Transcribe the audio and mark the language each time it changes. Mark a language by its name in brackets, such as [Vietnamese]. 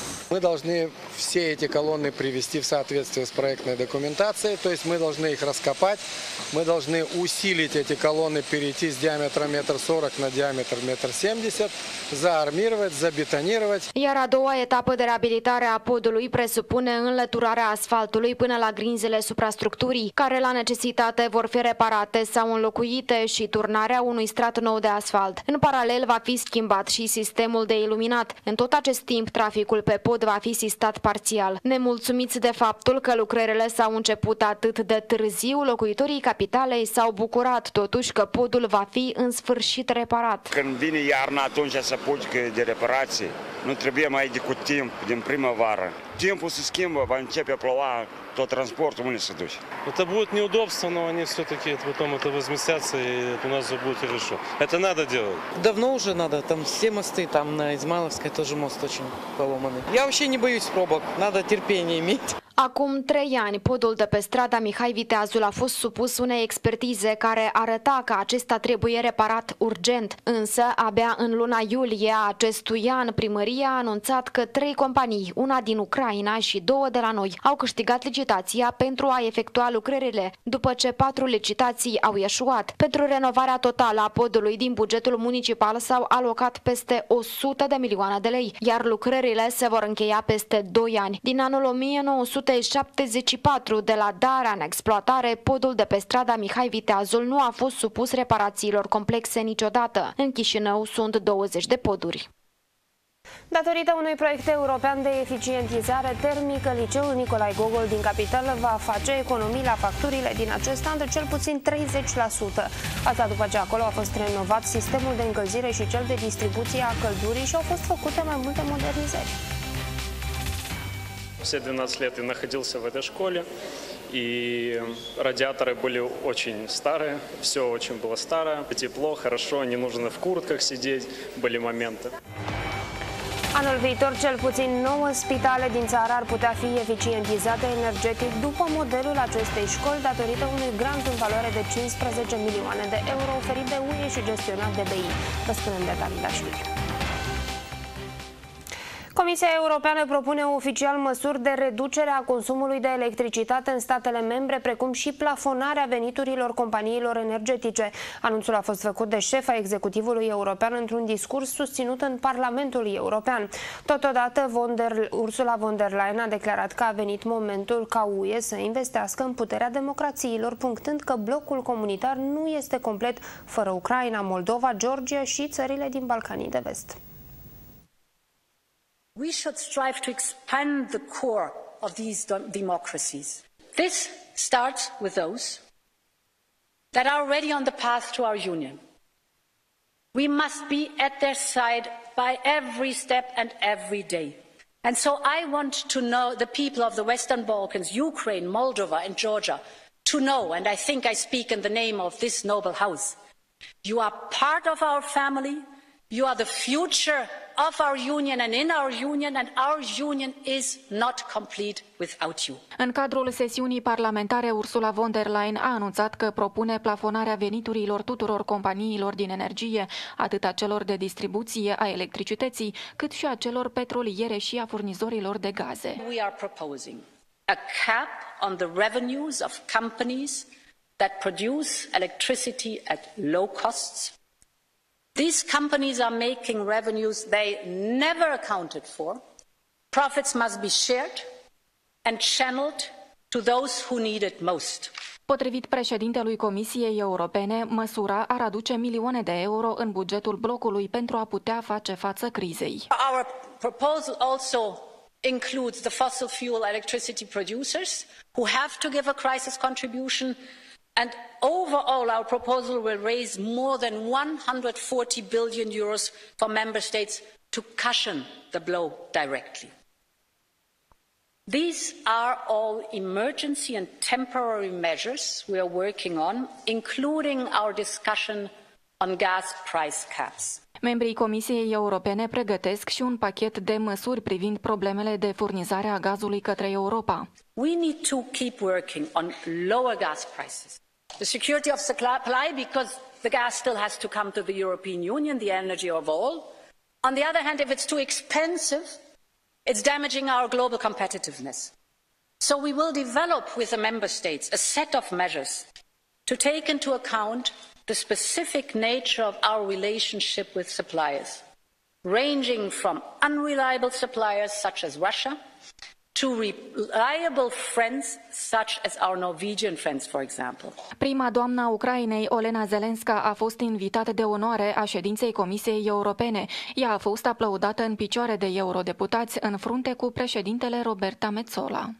[Russian] Мы должны все эти колонны привести в соответствие с проектной документацией, то есть мы должны их раскопать, мы должны усилить эти колонны, перейти с диаметра 1,40 м на диаметр 1,70 м, заармировать, забетонировать. [Romanian] Iar a doua etapă de reabilitare a podului presupune înlăturarea asfaltului până la grinzele suprastructurii, care la necesitate vor fi reparate sau înlocuite și turnarea unui strat nou de asfalt. În paralel va fi schimbat și sistemul de iluminat. În tot acest timp, traficul pe pod va fi sistat parțial. Nemulțumiți de faptul că lucrările s-au început atât de târziu, locuitorii capitalei s-au bucurat totuși că podul va fi în sfârșit reparat. Când vine iarna, atunci să pui că de reparație. Nu trebuie mai decât timp, din primăvară. Timpul se schimbă, va începe ploua [Russian] то транспорт мы не садусь. Это будет неудобство, но они все-таки потом это возместятся, и у нас же будет хорошо. Это надо делать. Давно уже надо, там все мосты, там на Измайловской тоже мост очень поломанный. Я вообще не боюсь пробок, надо терпение иметь. [Romanian] Acum 3 ani, podul de pe strada Mihai Viteazul a fost supus unei expertize care arăta că acesta trebuie reparat urgent. Însă, abia în luna iulie a acestui an, primăria a anunțat că 3 companii, una din Ucraina și 2 de la noi, au câștigat licitația pentru a efectua lucrările, după ce 4 licitații au eșuat. Pentru renovarea totală a podului din bugetul municipal s-au alocat peste 100 de milioane de lei, iar lucrările se vor încheia peste 2 ani. Din anul 1974, de la darea în exploatare, podul de pe strada Mihai Viteazul nu a fost supus reparațiilor complexe niciodată. În Chișinău sunt 20 de poduri. Datorită unui proiect european de eficientizare termică, liceul Nicolae Gogol din capitală va face economii la facturile din acest an de cel puțin 30%. Asta după ce acolo a fost renovat sistemul de încălzire și cel de distribuție a căldurii și au fost făcute mai multe modernizări. [Russian] Все 12 лет я находился в этой школе, и радиаторы были очень старые, все очень было старое, тепло, хорошо, не нужно в куртках сидеть, были моменты. [Romanian] Anul viitor, cel puțin 9 spitale din țară ar putea fi eficientizate energetic după modelul acestei școli, datorită unui grant în valoare de 15 milioane de euro oferit de UE și gestionat de BI. Vă spunem detalii la știri. Comisia Europeană propune oficial măsuri de reducere a consumului de electricitate în statele membre, precum și plafonarea veniturilor companiilor energetice. Anunțul a fost făcut de șefa executivului european într-un discurs susținut în Parlamentul European. Totodată, Ursula von der Leyen a declarat că a venit momentul ca UE să investească în puterea democrațiilor, punctând că blocul comunitar nu este complet fără Ucraina, Moldova, Georgia și țările din Balcanii de Vest. [English] We should strive to expand the core of these democracies. This starts with those that are already on the path to our union. We must be at their side by every step and every day. And so I want to know the people of the Western Balkans, Ukraine, Moldova and Georgia, to know, and I think I speak in the name of this noble house, you are part of our family, you are the future of our union and in our union, and our union is not complete without you. [Romanian] În cadrul sesiunii parlamentare, Ursula von der Leyen a anunțat că propune plafonarea veniturilor tuturor companiilor din energie, atât a celor de distribuție a electricității, cât și a celor petroliere și a furnizorilor de gaze. [English] We are proposing a cap on the revenues of companies that produce electricity at low costs. These companies are making revenues they never accounted for. Profits must be shared and channeled to those who need it most. [Romanian] Potrivit președintelui Comisiei Europene, măsura ar aduce milioane de euro în bugetul blocului pentru a putea face față crizei. [English] Our proposal also includes the fossil fuel electricity producers who have to give a crisis contribution. And overall, our proposal will raise more than 140 billion euros for member states to cushion the blow directly. These are all emergency and temporary measures we are working on, including our discussion on gas price caps. [Romanian] Membrii Comisiei Europene pregătesc și un pachet de măsuri privind problemele de furnizare a gazului către Europa. [English] We need to keep working on lower gas prices. The security of supply, because the gas still has to come to the European Union, the energy of all. On the other hand, if it's too expensive, it's damaging our global competitiveness. So we will develop with the member states a set of measures to take into account the specific nature of our relationship with suppliers, ranging from unreliable suppliers such as Russia to reliable friends such as our Norwegian friends, for example. [Romanian] Prima doamna Ucrainei, Olena Zelenska, a fost invitată de onoare a ședinței Comisiei Europene. Ea a fost aplaudată în picioare de eurodeputați în frunte cu președintele Roberta Metsola.